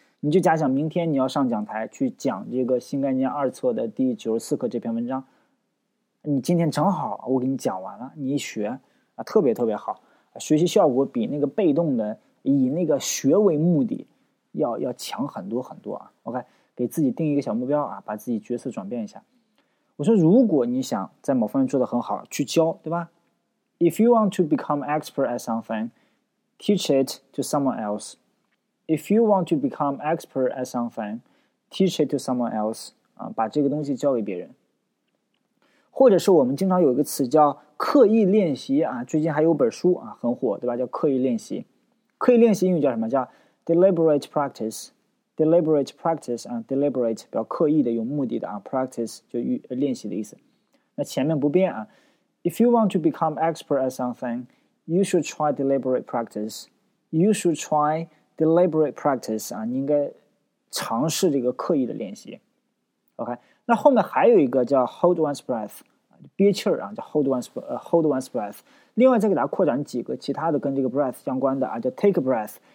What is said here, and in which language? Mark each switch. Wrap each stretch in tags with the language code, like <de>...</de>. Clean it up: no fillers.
<zh>你就假想明天你要上讲台去讲这个新概念二册的第94课这篇文章，你今天正好我给你讲完了，你一学啊，特别特别好，学习效果比那个被动的以那个学为目的要强很多很多啊。 OK。给自己定一个小目标啊，把自己角色转变一下。我说如果你想在某方面做得很好，去教，对吧？</zh> <en>If you want to become expert at something, teach it to someone else. If you want to become expert at something, teach it to someone else.</en> <zh>啊，把这个东西教给别人。或者是我们经常有一个词叫刻意练习啊，最近还有本书啊很火，对吧？叫刻意练习。刻意练习英语叫什么？叫 deliberate practice。 Deliberate practice 啊 ，deliberate 比较刻意的、有目的的啊 ，practice 就练习的意思。那前面不变啊</zh> <en>，If you want to become expert at something, you should try deliberate practice. You should try deliberate practice 啊，</en> <zh>你应该尝试这个刻意的练习。 OK， 那后面还有一个叫 hold one's breath， 憋气儿啊，叫 hold one's breath。另外再给大家扩展几个其他的跟这个 breath 相关的啊，叫 take a breath。</zh>